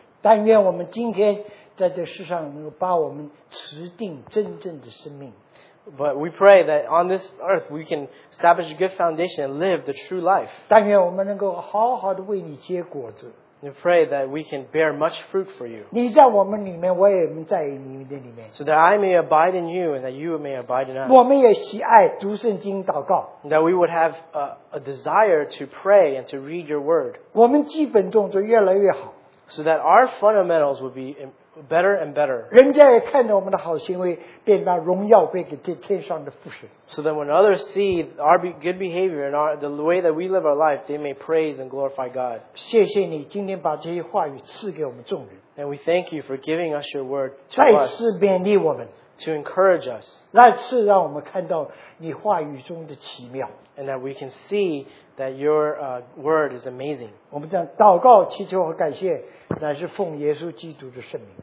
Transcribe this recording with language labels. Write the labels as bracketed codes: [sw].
[zh] 但愿我们今天在这世上能够把我们持定真正的生命。 [en] But we pray that on this earth we can establish a good foundation and live the true life. And we pray that we can bear much fruit for you. [zh] 你在我们里面, [en] so that I may abide in you and that you may abide in us. [zh] 我们也喜爱读圣经祷告, [en] that we would have a desire to pray and to read your word. [zh] 我们基本动作越来越好, [en] so that our fundamentals would be better and better. [zh] 人家也看到我们的好行为, 便把荣耀归给天上的父神。 [en] So that when others see our good behavior and the way that we live our life, they may praise and glorify God. [zh] 谢谢你今天把这些话语赐给我们众人。 [en] And we thank you for giving us your word to [zh] 再次勉励我们, [en] us, to encourage us. [zh] 再次让我们看到你话语中的奇妙。 [en] And that we can see that your word is amazing. [zh] 我们这样祷告祈求和感谢, 乃是奉耶稣基督的圣名。